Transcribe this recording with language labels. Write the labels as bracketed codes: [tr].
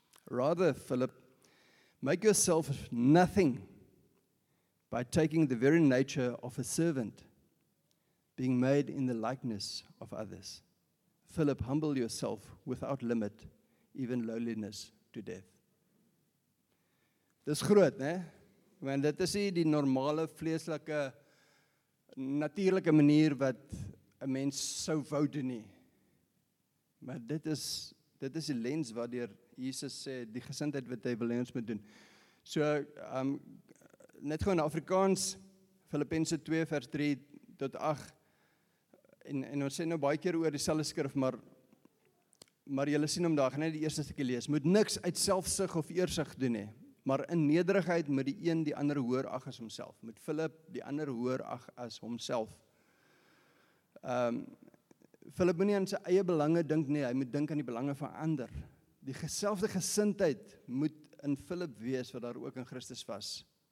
[en] Rather, Philip, make yourself nothing by taking the very nature of a servant, being made in the likeness of others. Philip, humble yourself without limit, even lowliness to death. [af] Dis groot, né? Want dit is nie die normale, vleeslike, natuurlike manier wat 'n mens sou wou doen nie. Maar dit is die lens waardeur Jesus sê, die gesindheid wat hy wil hê ons moet doen. So, net gewoon in Afrikaans, Filippense 2 vers 3 tot 8. En ons sê nou baie keer oor dieselfde skrif, maar julle sien hom daar, gaan net die eerste stukkie lees. Moet niks uit selfsug of eersug doen nie, maar in nederigheid moet die een die ander hoër ag as homself. Moet Filip die ander hoër ag as homself. Filip moet nie aan sy eie belange dink nie, hy moet dink aan die belange van ander. Die geselfde gesindheid moet in Filip wees, wat daar ook in Christus was.